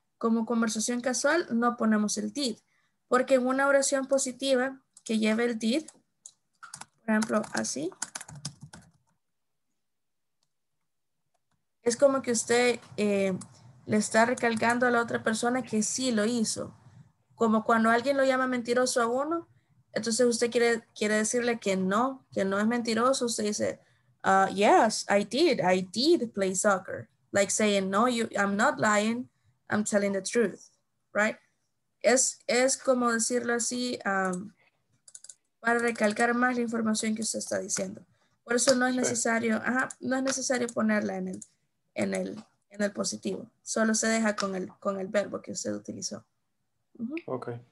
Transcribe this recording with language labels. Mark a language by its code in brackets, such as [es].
[es] Como conversación casual, no ponemos el did. Porque en una oración positiva que lleve el did, por ejemplo, así, es como que usted le está recalcando a la otra persona que sí lo hizo. Como cuando alguien lo llama mentiroso a uno, entonces usted quiere decirle que no es mentiroso. Usted dice, [en] yes, I did play soccer. Like saying, no, I'm not lying, I'm telling the truth, right? [es] Es como decirlo así, para recalcar más la información que usted está diciendo. Por eso no es necesario, sí. No es necesario ponerla en el positivo. Solo se deja con el verbo que usted utilizó. Uh-huh. Ok.